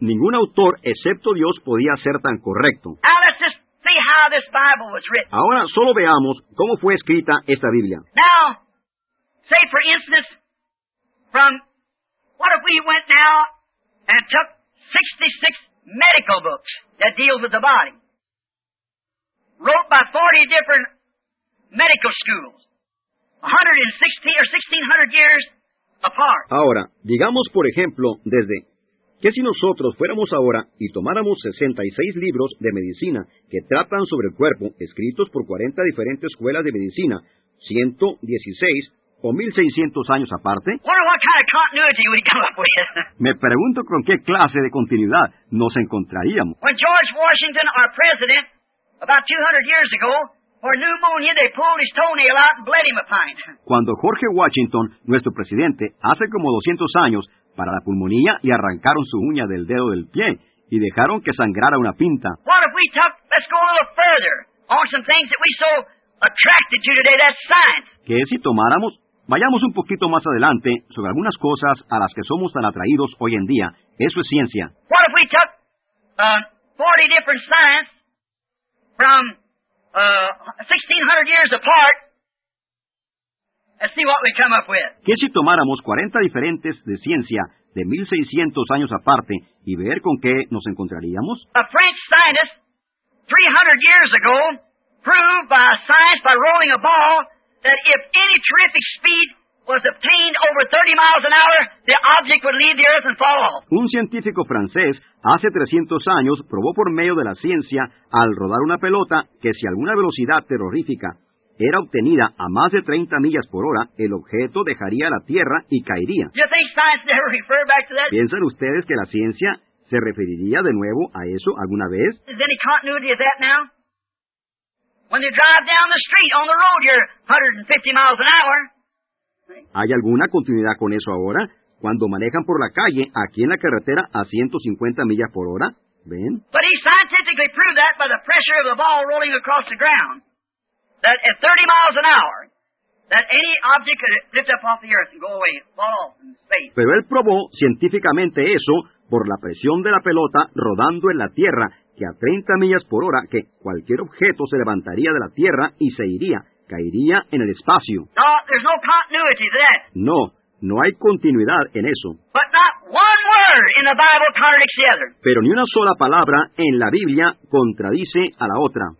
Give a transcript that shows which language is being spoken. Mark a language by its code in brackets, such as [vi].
[es] Ningún autor excepto Dios podía ser tan correcto. [en] Now let's just see how this Bible was written. [es] Ahora solo veamos cómo fue escrita esta Biblia. [en] Now, say for instance, from what if we went now and took 66 medical books that deal with the body, wrote by 40 different medical schools, 1600 years apart. [es] Ahora, digamos por ejemplo, desde que si nosotros fuéramos ahora y tomáramos 66 libros de medicina que tratan sobre el cuerpo, escritos por 40 diferentes escuelas de medicina, 116 o 1600 años aparte. [en] What kind of continuity we come up with? [es] Me pregunto con qué clase de continuidad nos encontraríamos. [en] When George Washington, our president, about 200 years ago, for pneumonia, they pulled his toenail out and bled him a pint. [es] Cuando George Washington, nuestro presidente, hace como 200 años, para la pulmonía le arrancaron su uña del dedo del pie y dejaron que sangrara una pinta. [en] What if we talk, let's go a little further on some things that we saw attracted to today, that's science. [es] Que si tomáramos, vayamos un poquito más adelante sobre algunas cosas a las que somos tan atraídos hoy en día. Eso es ciencia. [en] What if we took 40 different science from 1600 years apart and see what we come up with? [es] Que si tomáramos 40 diferentes de ciencia de 1600 años aparte y ver con qué nos encontraríamos? [en] A French scientist 300 years ago proved by science, by rolling a ball, that if any terrific speed was obtained over 30 miles an hour, the object would leave the earth and fall. [es] Un científico francés hace 300 años probó por medio de la ciencia al rodar una pelota que si alguna velocidad terrorífica era obtenida a más de 30 millas por hora, el objeto dejaría la tierra y caería. [en] You think science never referred back to that? [es] ¿Piensan ustedes que la ciencia se referiría de nuevo a eso alguna vez? [en] Is there any continuity of that now? when they drive down the street on the road here 150 miles an hour. [es] ¿Hay alguna continuidad con eso ahora? Cuando manejan por la calle, aquí en la carretera, a 150 millas por hora, ¿ven? [en] But he scientifically proved that by the pressure of the ball rolling across the ground. That at 30 miles an hour, that any object could lift up off the earth and go away, fall off in space. [es] Pero él probó científicamente eso por la presión de la pelota rodando en la tierra, que a 30 millas por hora, que cualquier objeto se levantaría de la tierra y se iría, caería en el espacio. [en] No, there's no continuity to that. [es] No. No hay continuidad en eso. [en] But not one word in the Bible contradicts the other. [es] Pero ni una sola palabra en la Biblia contradice a la otra.